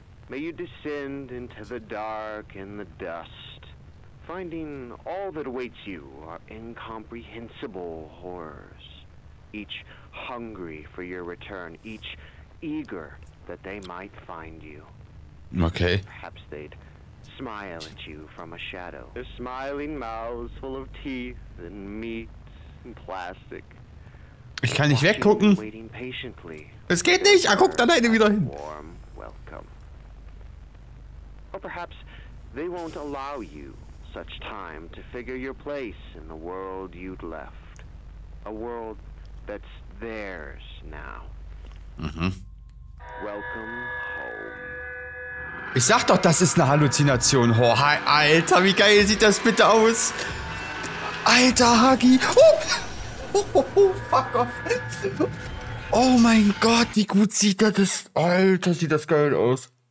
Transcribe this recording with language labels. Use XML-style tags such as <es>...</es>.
<en>May you descend into the dark and the dust, finding all that awaits you are incomprehensible horrors, each hungry for your return, each eager that they might find you. Okay. Perhaps they'd smile at you from a shadow, their smiling mouths full of teeth and meat and plastic.</en> <de>Ich kann nicht weggucken. Es geht nicht. Er guckt alleine wieder hin.</de> <en>Warm welcome. Or perhaps they won't allow you such time to figure your place in the world you'd left. A world that's theirs now. Mhm. Welcome home.</en> <de>Ich sag doch, das ist eine Halluzination. Oh, Alter, wie geil sieht das bitte aus? Alter, Hagi. Oh! Fuck off. Oh mein Gott, wie gut sieht das? Alter, sieht das geil aus.</de>